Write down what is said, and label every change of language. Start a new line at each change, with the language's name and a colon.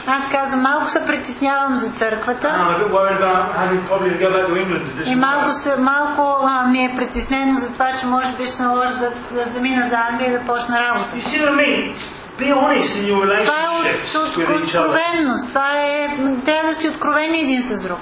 Bulgarian: Аз казвам, малко се притеснявам за църквата.
English: I'm a bit worried about having probably to go back to England.
Bulgarian: И малко ми е притеснено за това, че може би ще наложи да замина за Англия и да почна работа.
English: You see what I mean? Be honest in your relationships with each other.
Bulgarian: Откровенност. Това е, трябва да си откровени един с друг.